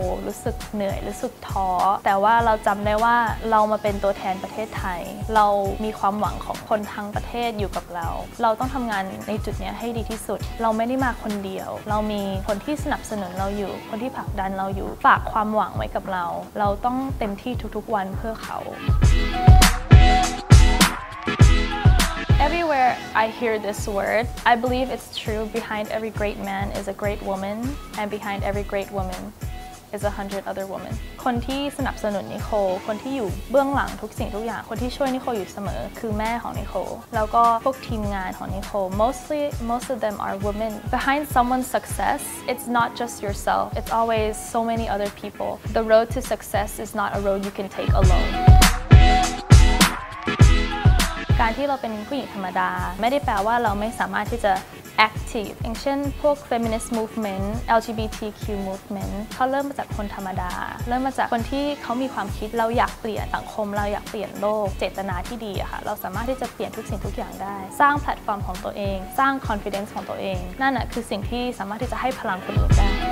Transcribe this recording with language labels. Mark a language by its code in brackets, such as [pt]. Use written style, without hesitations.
[th] รู้สึกเหนื่อยรู้สึกท้อแต่ว่าเราจำได้ว่าเรามาเป็นตัวแทนประเทศไทยเรามีความหวังของคนทั้งประเทศอยู่กับเราเราต้องทำงานในจุดนี้ให้ดีที่สุดเราไม่ได้มาคนเดียวเรามีคนที่สนับสนุนเราอยู่คนที่ผลักดันเราอยู่ฝากความหวังไว้กับเราเราต้องเต็มที่ทุกๆวันเพื่อเขา [en] Everywhere I hear this word, I believe it's true. Behind every great man is a great woman, and behind every great woman is 100 other women. [th] คนที่สนับสนุนนิโคลคนที่อยู่เบื้องหลังทุกสิ่งทุกอย่างคนที่ช่วยนิโคลอยู่เสมอคือแม่ของนิโคลแล้วก็พวกทีมงานของนิโคล [en] most of them are women. Behind someone's success, it's not just yourself. It's always so many other people. The road to success is not a road you can take alone. [th] การที่เราเป็นผู้หญิงธรรมดาไม่ได้แปลว่าเราไม่สามารถที่จะ active อย่างเช่นพวก feminist movement LGBTQ movement เขาเริ่มมาจากคนธรรมดาเริ่มมาจากคนที่เขามีความคิดเราอยากเปลี่ยนสังคมเราอยากเปลี่ยนโลกเจตนาที่ดีค่ะเราสามารถที่จะเปลี่ยนทุกสิ่งทุกอย่างได้สร้างแพลตฟอร์มของตัวเองสร้าง confidence ของตัวเองนั่นแหละคือสิ่งที่สามารถที่จะให้พลังคนอื่นได้